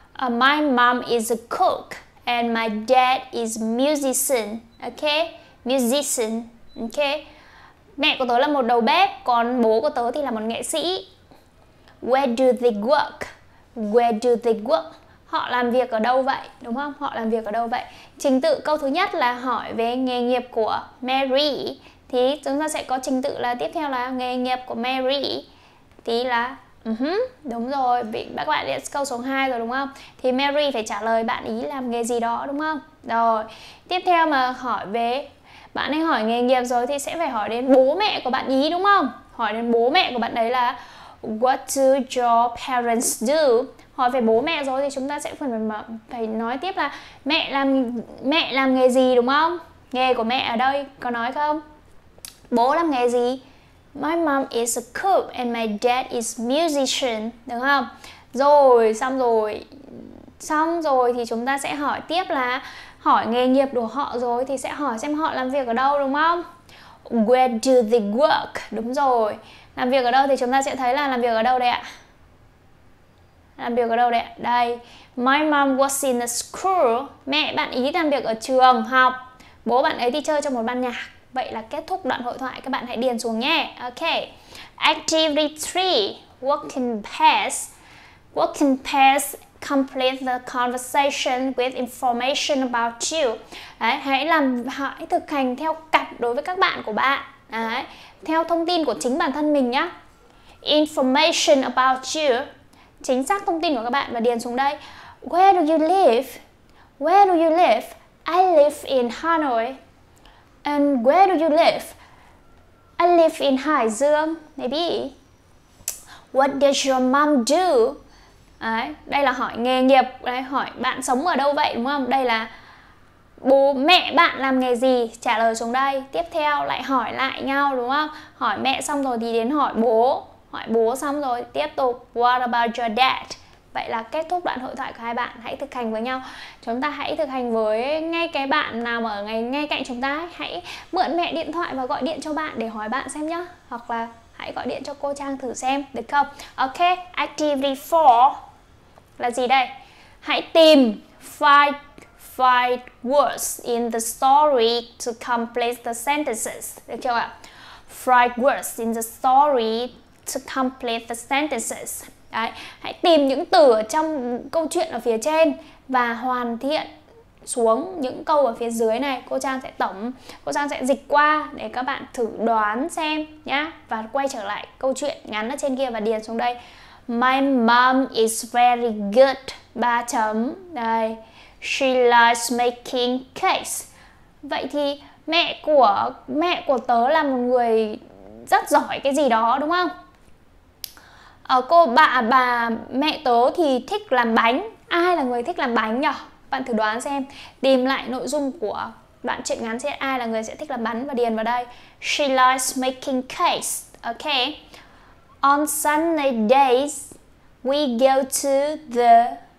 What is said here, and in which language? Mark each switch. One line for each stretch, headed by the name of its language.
English: My mom is a cook and my dad is a musician. Ok. Musician. Ok.
Vietnamese: Mẹ của tớ là một đầu bếp, còn bố của tớ thì là một nghệ sĩ.
English: Where do they work? Where do they work?
Vietnamese: Họ làm việc ở đâu vậy? Đúng không? Họ làm việc ở đâu vậy? Trình tự câu thứ nhất là hỏi về nghề nghiệp của Mary. Thì chúng ta sẽ có trình tự là tiếp theo là nghề nghiệp của Mary. Thì là đúng rồi, các bạn đã câu số 2 rồi đúng không? Thì Mary phải trả lời bạn ý làm nghề gì đó đúng không? Rồi, tiếp theo mà hỏi về bạn ấy hỏi nghề nghiệp rồi thì sẽ phải hỏi đến bố mẹ của bạn ý đúng không? Hỏi đến bố mẹ của bạn ấy là
English: What do your parents do?
Vietnamese: Hỏi về bố mẹ rồi thì chúng ta sẽ phải nói tiếp là mẹ làm nghề gì đúng không? Nghề của mẹ ở đây có nói không? Bố làm nghề gì?
English: My mom is a cook and my dad is musician,
Vietnamese: đúng không? Rồi, xong rồi. Xong rồi thì chúng ta sẽ hỏi tiếp là hỏi nghề nghiệp của họ rồi thì sẽ hỏi xem họ làm việc ở đâu, đúng không?
English: Where do they work?
Vietnamese: Đúng rồi. Làm việc ở đâu thì chúng ta sẽ thấy là làm việc ở đâu đây ạ? Làm việc ở đâu đây ạ? Đây.
English: My mom was in a school.
Vietnamese: Mẹ bạn ý làm việc ở trường học. Bố bạn ấy đi chơi trong một ban nhạc. Vậy là kết thúc đoạn hội thoại, các bạn hãy điền xuống nhé.
English: Ok. Activity 3. Working past. Working past. Complete the conversation with information about you.
Vietnamese: Đấy, hãy thực hành theo cặp đối với các bạn của bạn. Đấy, theo thông tin của chính bản thân mình nhá.
English: Information about you.
Vietnamese: Chính xác thông tin của các bạn và điền xuống đây.
English: Where do you live? Where do you live? I live in Hanoi. And where do you live? I live in Hải Dương. Maybe. What does your mom do?
Vietnamese: Đấy, đây là hỏi nghề nghiệp. Đấy, hỏi bạn sống ở đâu vậy, đúng không? Đây là bố mẹ bạn làm nghề gì? Trả lời xuống đây. Tiếp theo lại hỏi lại nhau, đúng không? Hỏi mẹ xong rồi thì đến hỏi bố. Hỏi bố xong rồi tiếp tục.
English: What about your dad?
Vietnamese: Vậy là kết thúc đoạn hội thoại của hai bạn. Hãy thực hành với nhau. Chúng ta hãy thực hành với ngay cái bạn nào ở ngay cạnh chúng ta. Hãy mượn mẹ điện thoại và gọi điện cho bạn để hỏi bạn xem nhá. Hoặc là hãy gọi điện cho cô Trang thử xem, được không? Ok, activity 4 là gì đây? Hãy tìm
English: five words in the story to complete the sentences.
Vietnamese: Được chưa ạ?
English: Five words in the story to complete the sentences.
Vietnamese: Đấy, hãy tìm những từ ở trong câu chuyện ở phía trên và hoàn thiện xuống những câu ở phía dưới này. Cô Trang sẽ dịch qua để các bạn thử đoán xem nhá. Và quay trở lại câu chuyện ngắn ở trên kia và điền xuống đây.
English: My mom is very good.
Vietnamese: 3 chấm. Đây.
English: She likes making cakes.
Vietnamese: Vậy thì mẹ của tớ là một người rất giỏi cái gì đó, đúng không? Bà mẹ tớ thì thích làm bánh. Ai là người thích làm bánh nhỉ? Bạn thử đoán xem. Tìm lại nội dung của đoạn truyện ngắn xem ai là người sẽ thích làm bánh và điền vào đây.
English: She likes making cakes. Okay. On Sunday days, we go to the.